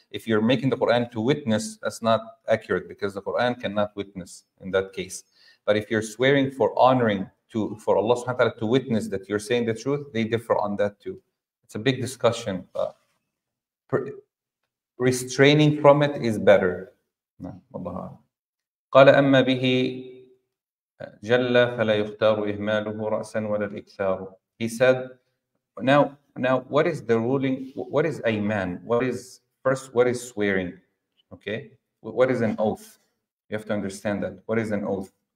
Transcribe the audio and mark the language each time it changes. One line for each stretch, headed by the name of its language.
English: If you're making the Quran to witness, that's not accurate, because the Quran cannot witness in that case. But if you're swearing for honoring for Allah subhanahu wa ta'ala to witness that you're saying the truth, they differ on that too. It's a big discussion. Restraining from it is better. Allah.
Arabic: قال أما به جل فلا يختار إهماله رأسا ولا الإكثار.
English: He said, now what is the ruling? What is أيمان? What is swearing? Okay, what is an oath? You have to understand that. What is an oath?